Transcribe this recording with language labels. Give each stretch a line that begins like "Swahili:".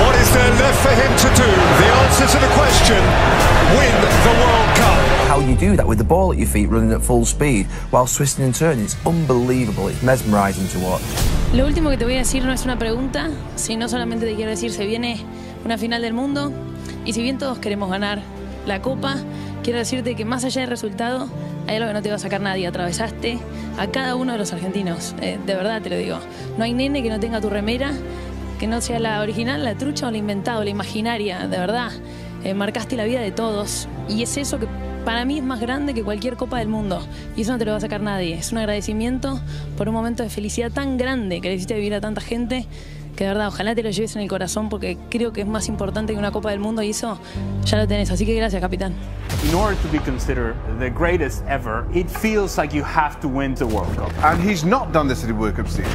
English: There left for him to do the answer to the question: win the World Cup. How you do that with the ball at your feet, running at full speed while twisting and turning, it's unbelievable. It's mesmerizing to watch.
Spanish: Lo último que te voy a decir no es una pregunta, sino solamente te quiero decir se viene una final del mundo, y si bien todos queremos ganar la Copa, quiero decirte que más allá del resultado hay algo que no te va a sacar nadie. Atravesaste a cada uno de los argentinos, de verdad te lo digo. No hay nene que no tenga tu remera. Que no sea la original, la trucha o la inventada, la imaginaria, de verdad. Marcaste la vida de todos. Y es eso que para mí es más grande que cualquier Copa del Mundo. Y eso no te lo va a sacar nadie. Es un agradecimiento por un momento de felicidad tan grande que le hiciste vivir a tanta gente. Que de verdad, ojalá te lo lleves en el corazón, porque creo que es más importante que una Copa del Mundo. Y eso ya lo tenés. Así que gracias, capitán.
English: In order to be considered the greatest ever, it feels like you have to win the World Cup. And he's not done this at the World Cup season.